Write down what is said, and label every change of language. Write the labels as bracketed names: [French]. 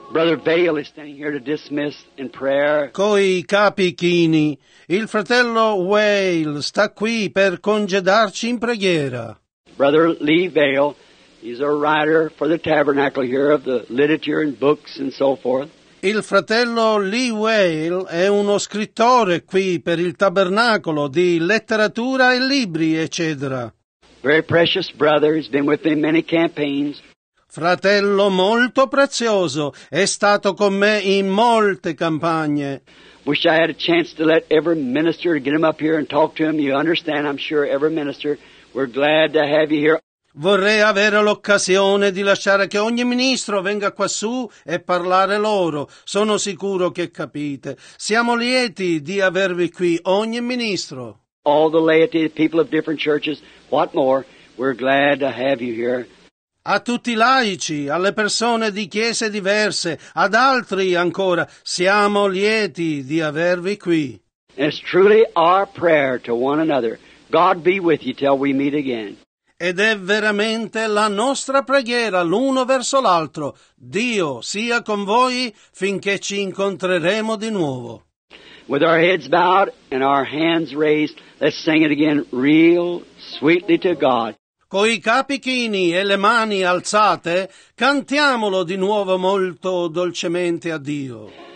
[English] Brother Vail is standing here to dismiss in prayer. [Italian] Coi capi chini, il fratello Vail sta qui per congedarci in preghiera. [English] Brother Lee Vail He's a writer for the tabernacle here of the literature and books and so forth. [Italian] Il fratello Lee Whale è uno scrittore qui per il tabernacolo di letteratura e libri, eccetera. [English] Very precious brother, he's been with me many campaigns. [Italian] Fratello molto prezioso, è stato con me in molte campagne. [English] Wish I had a chance to let every minister get him up here and talk to him. You understand, I'm sure, every minister, we're glad to have you here. [Italian] Vorrei avere l'occasione di lassare che ogni ministro venga quassù e parlare loro. Sono sicuro che capite. Siamo lieti di avervi qui, ogni ministro. [English] All the laity, the people of different churches, what more, we're glad to have you here. [Italian] A tutti i laici, alle persone di chiese diverse, ad altri ancora, siamo lieti di avervi qui. [English] It's truly our prayer to one another. God be with you till we meet again. [Italian] Ed è veramente la nostra preghiera l'uno verso l'altro. Dio sia con voi finché ci incontreremo di nuovo. [English] With our heads bowed and our hands raised, let's sing it again real sweetly to God. [Italian] Coi capi chini e le mani alzate, cantiamolo di nuovo molto dolcemente a Dio.